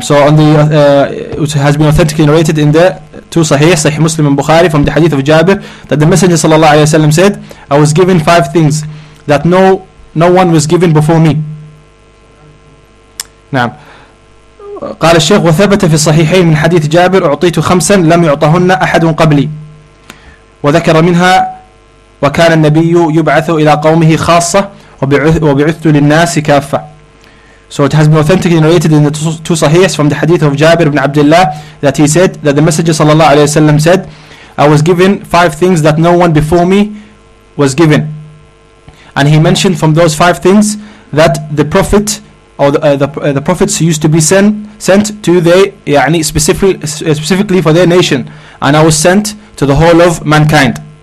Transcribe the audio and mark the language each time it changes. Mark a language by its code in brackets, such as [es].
[en] So on the which has been authentically narrated in the 2 صحيح, صحيح مسلم and Bukhari, from the hadith of Jabir, that the Messenger [ar] صلى الله عليه وسلم [en] said, I was given 5 things that no one was given before me. [ar] نعم. قال الشيخ: وثبت في الصحيحين من حديث جابر أعطيت 5 لم يعطهن أحد قبلي. وذكر منها: وكان النبي يبعث إلى قومه خاصة وبعثت للناس كافة. [en] So it has been authentically narrated in the two Sahihs from the hadith of Jabir ibn Abdullah that he said that the Messenger sallallahu alayhi wa sallam said, I was given five things that no one before me was given. And he mentioned from those five things that the Prophet or the prophets used to be sent to the يعني, specifically for their nation, and I was sent to the whole of mankind.